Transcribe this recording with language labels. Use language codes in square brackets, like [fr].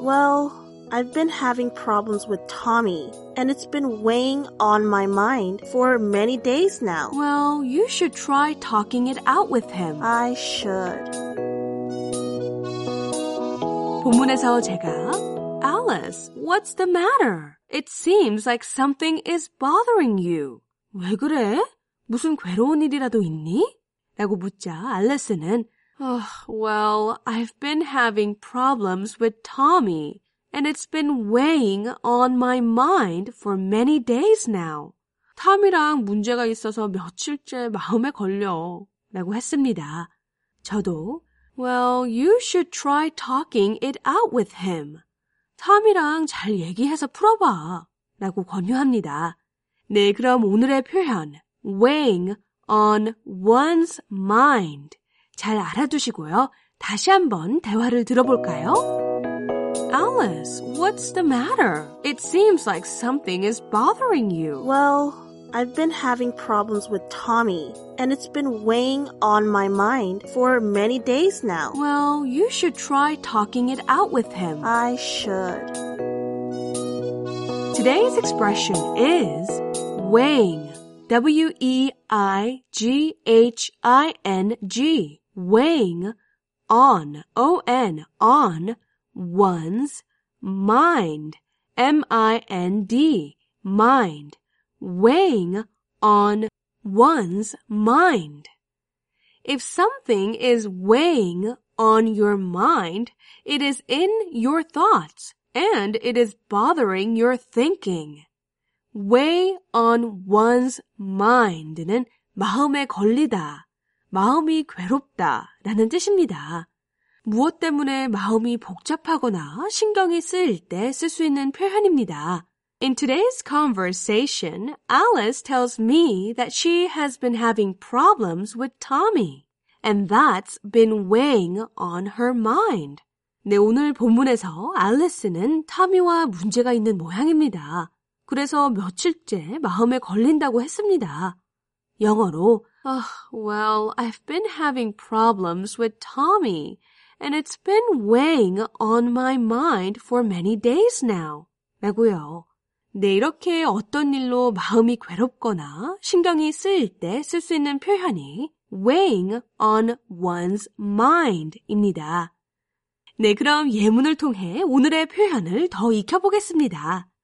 [en] Well, I've been having problems with Tommy, and it's been weighing on my mind for many days now. Well, you should try talking it out with him. I should. [ko] 본문에서 제가 [en] Alice, what's the matter? It seems like something is bothering you. [ko] 왜 그래? 무슨 괴로운 일이라도 있니? 라고 묻자 알리스는 [en] Well, I've been having problems with Tommy, and it's been weighing on my mind for many days now. [ko] 탐이랑 문제가 있어서 며칠째 마음에 걸려. 라고 했습니다. 저도 [en] Well, you should try talking it out with him. [ko] 탐이랑 잘 얘기해서 풀어봐. 라고 권유합니다. 네, 그럼 오늘의 표현, [en] weighing on one's mind. [ko] 잘 알아두시고요. 다시 한번 대화를 들어볼까요? [en] Alice, what's the matter? It seems like something is bothering you. Well, I've been having problems with Tommy, and it's been weighing on my mind for many days now. Well, you should try talking it out with him. I should. Today's expression is weighing. W-E-I-G-H-I-N-G. Weighing on, O-N, on one's mind. M-I-N-D, mind. Weighing on one's mind. If something is weighing on your mind, it is in your thoughts and it is bothering your thinking. Weigh on one's mind는 [ko] 마음에 걸리다, 마음이 괴롭다 라는 뜻입니다. 무엇 때문에 마음이 복잡하거나 신경이 쓰일 때 쓸 수 있는 표현입니다. [en] In today's conversation, Alice tells me that she has been having problems with Tommy, and that's been weighing on her mind. [ko] 네, 오늘 본문에서 알리스는 타미와 문제가 있는 모양입니다. 그래서 며칠째 마음에 걸린다고 했습니다. 영어로 [en] Well, I've been having problems with Tommy, and it's been weighing on my mind for many days now. [ko] 라고요. 네, 이렇게 어떤 일로 마음이 괴롭거나 신경이 쓰일 때 쓸 수 있는 표현이 [en] weighing on one's mind [ko] 입니다. 네, 그럼 예문을 통해 오늘의 표현을 더 익혀보겠습니다.